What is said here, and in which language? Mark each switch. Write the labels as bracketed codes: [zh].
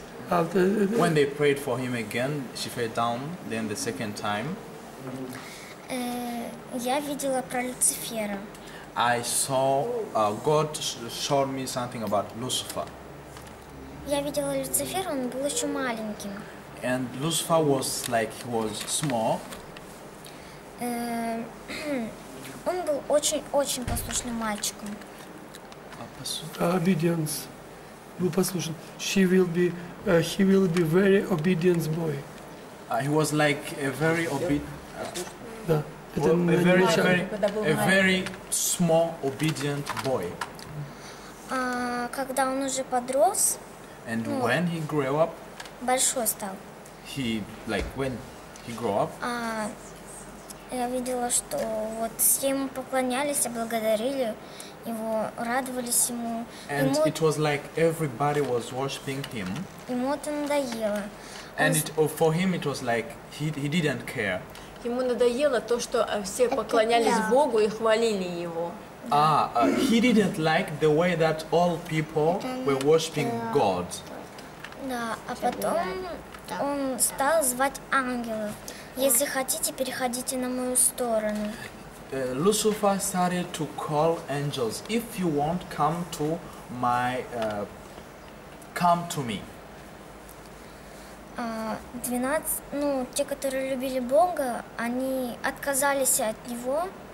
[en] When they prayed for him again, she fell down. Then the second time. [ru] Я видела про Люцифера. [en] I saw God showed me something about Lucifer. [ru] Я видела Люцифера, он был еще маленьким. [en] And Lucifer was like he was small. [ru] Он был очень-очень послушным мальчиком. [en] Obedience. [ru] Был послушен. [en] He will be very obedient boy. He was like a very obedient. A very small obedient boy. [ru] Когда он уже подрос, [en] and ну, when he grew up, [ru] большой стал. [en] He like when he grew up. [ru] Я видела, что вот все ему поклонялись, благодарили его, радовались ему. [en] And it was like everybody was worshiping him. [ru] Ему это надоело. [en] And it, for him it was like he didn't care. [ru] Ему надоело то, что все поклонялись Богу и хвалили его. [en] He didn't like the way that all people were worshiping God. [ru] Да, а потом он стал звать ангелов. Если хотите, переходите на мою сторону. [en] Lucifer started to call angels. If you want, come to my, come to me. [ru] 12, ну, те, которые любили Бога, они отказались от него.